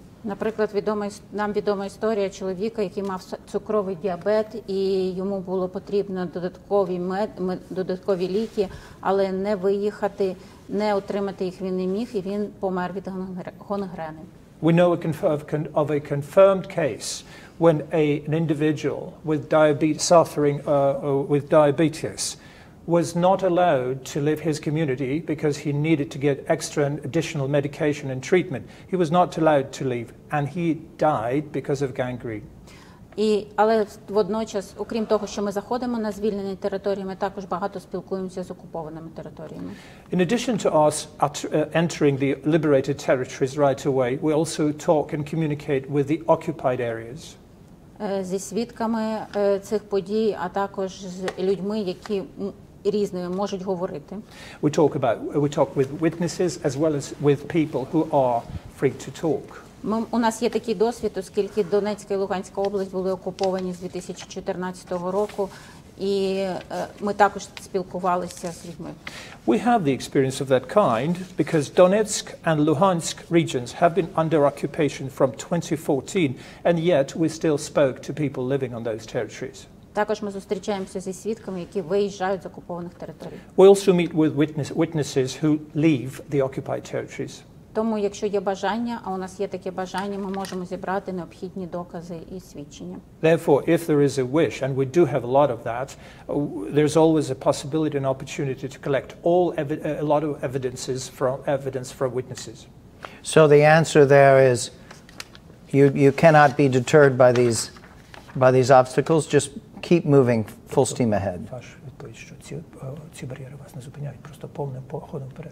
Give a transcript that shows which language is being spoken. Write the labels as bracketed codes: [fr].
[uk] Наприклад, нам відома історія чоловіка, який мав цукровий діабет, і йому було потрібно додаткові ліки, але не виїхати, не отримати їх він не міг, і він помер від гангрени. [en] We know of a confirmed case when an individual with diabetes, suffering with diabetes, was not allowed to leave his community because he needed to get extra and additional medication and treatment. He was not allowed to leave, and he died because of gangrene. [uk] Але водночас, окрім того, що ми заходимо на звільнені території, ми також багато спілкуємося з окупованими територіями. [en] In addition to us entering the liberated territories right away, we also talk and communicate with the occupied areas. [uk] Зі свідками цих подій, а також з людьми, які різними можуть говорити. [en] We talk with witnesses as well as with people who are free to talk. [uk] У нас є такий досвід, оскільки Донецька і Луганська область були окуповані з 2014 року, і ми також спілкувалися з людьми. [en] We have the experience of that kind because Donetsk and Luhansk regions have been under occupation from 2014, and yet we still spoke to people living on those territories. [uk] Також ми зустрічаємося зі свідками, які виїжджають з окупованих територій. [en] We also meet with witnesses who leave the occupied territories. [uk] Тому, якщо є бажання, а у нас є таке бажання, ми можемо зібрати необхідні докази і свідчення. [en] Therefore, if there is a wish, and we do have a lot of that, there's always a possibility and opportunity to collect a lot of evidence from witnesses. So the answer there is, you cannot be deterred by these obstacles. Just keep moving full steam ahead. [uk] Ваш відповідь, що ці бар'єри вас не зупиняють, просто повним ходом вперед.